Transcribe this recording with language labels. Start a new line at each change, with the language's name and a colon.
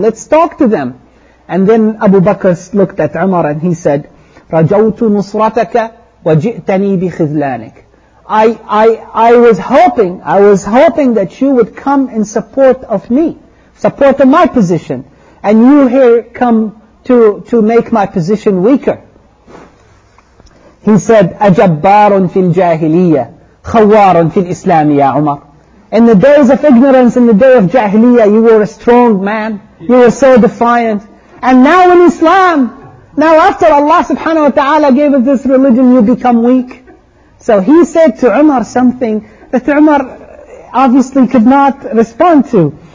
English: Let's talk to them. And then Abu Bakr looked at Umar and he said,
Arabic: Rajawtu nusrataka wa ji'tani bi khidlanik.
English: I was hoping that you would come in support of me, support of my position. And you here come to make my position weaker. He said,
Arabic: أَجَبَّارٌ فِي الْجَاهِلِيَّةِ خَوَّارٌ فِي الْإِسْلَامِ يَا عُمَرُ.
English: In the days of ignorance, in the day of Jahiliyyah, you were a strong man. You were so defiant. And now in Islam, now after Allah subhanahu wa ta'ala gave us this religion, you become weak. So he said to Umar something that Umar obviously could not respond to.